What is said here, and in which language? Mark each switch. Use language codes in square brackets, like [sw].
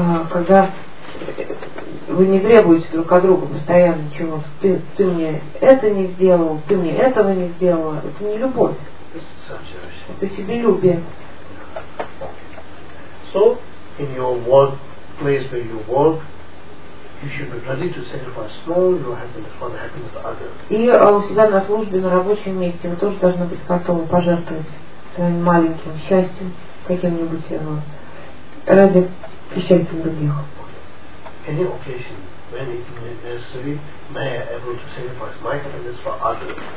[ru] Когда вы не требуете друг от друга постоянно чего-то, ты мне это не сделал, ты мне этого не сделала, это не любовь, это себелюбие. [en] So, in your work place where you work, you should be ready to sacrifice small your happiness for the happiness of others. [ru] И у себя на службе, на рабочем месте, вы тоже должны быть готовы пожертвовать своим маленьким счастьем каким-нибудь ради счастья других. [en] Any occasion when it is necessary, may I able to sacrifice my happiness for others.